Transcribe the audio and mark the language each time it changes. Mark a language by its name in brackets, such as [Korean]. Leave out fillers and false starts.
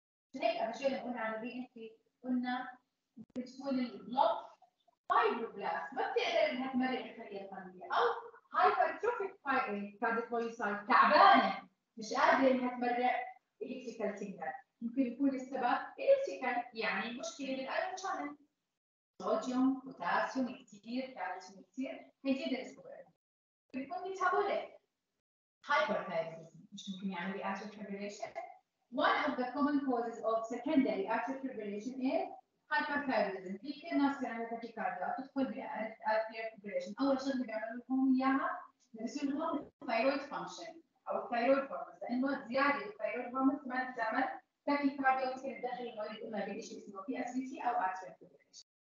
[Arabic] عشان هيك اهم شيء اللي قلنا على الري انتري قلنا ممكن تكون البلوك فايبروبلاست ما بتقدر انها تمرر الخليه الثانيه، او هايبرتروفيك فايبروبلاست تعبانه مش قادره انها تمرر الكتريكال سيجنال، ممكن يكون السبب الكتريكال يعني مشكله بالايرون شانل، صوديوم بوتاسيوم كتير كالسيوم كتير، هيدي الاسباب. بيكون ميتابوليك هايبرثايرويديزم مش ممكن يعمل لي اتريال فيبريليشن. [English] One of the common causes of secondary atrial fibrillation is hyperthyroidism. [Arabic] في كثير ناس بيعملوا تاكيكارديا بتدخل بالاتريال فيبريليشن، اول شغله بيعملوا لهم اياها بيرسل لهم الثايرويد فانكشن او الثايرويد هرمونز، لانه زياده الثايرويد هرمونز كمان بتعمل تاكيكارديا، ممكن تدخل المريض اما بشيء اسمه بي اس في تي او اتريال فيبريليشن.